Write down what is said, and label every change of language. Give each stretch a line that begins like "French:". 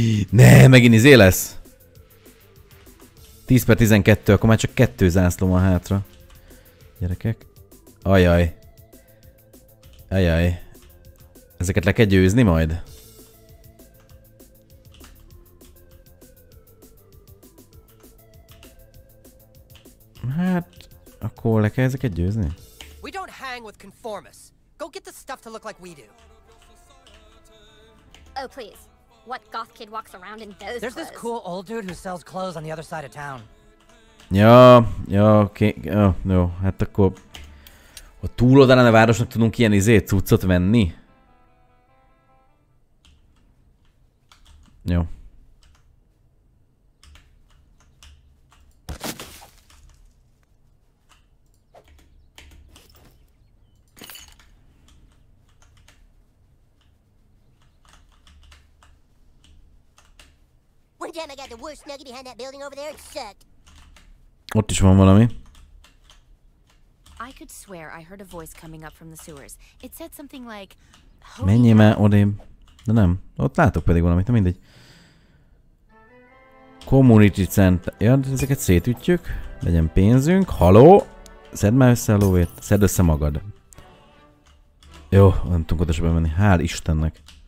Hungarian: Ne, megint izé lesz. 10 per 12, akkor már csak 2 zászló van hátra. Gyerekek. Ajaj. Ajaj. Ezeket le kell győzni majd? Hát, akkor le kell ezeket győzni?
English: We don't hang with conformists. Go get the stuff to look like we do. Oh, please. what goth kid walks around in those There's clothes. This cool old dude who sells clothes on the other side of town.
Hungarian: Ja, okay, jó, hát akkor a túloldalán a városnak tudunk ilyen izé cuccot venni. Jó.
English: One time I got the worst nugget behind that building over there, it sucked.
Hungarian: Ott is van valami.
English: I could swear I heard a voice coming up from the sewers. It said something like...
Hungarian: Menjél már odém. De nem. Ott látok pedig valamit, nem mindegy. Community center. Ja, ezeket szétütjük. Legyen pénzünk. Haló? Szedd már össze a lóvét. Szedd össze magad. Jó, nem tudunk oda se bemenni. Hál' Istennek.